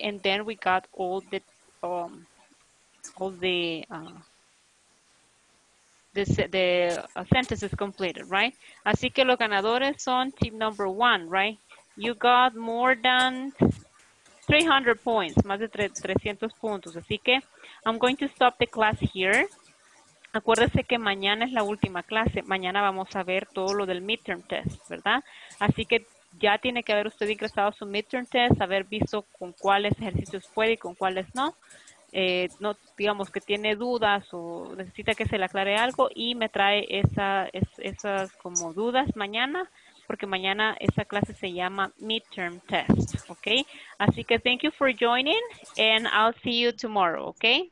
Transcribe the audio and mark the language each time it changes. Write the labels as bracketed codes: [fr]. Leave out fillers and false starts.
[en] And then we got all the sentences completed, right? [es] Así que los ganadores son [en] team number one, right? You got more than 300 points, [es] más de 300 puntos. Así que [en] I'm going to stop the class here. [es] Acuérdese que mañana es la última clase. Mañana vamos a ver todo lo del midterm test, ¿verdad? Así que ya tiene que haber usted ingresado a su midterm test, haber visto con cuáles ejercicios puede y con cuáles no. No digamos que tiene dudas o necesita que se le aclare algo y me trae esas como dudas mañana, porque mañana esa clase se llama midterm test, okay? Así que [en] thank you for joining and I'll see you tomorrow, okay?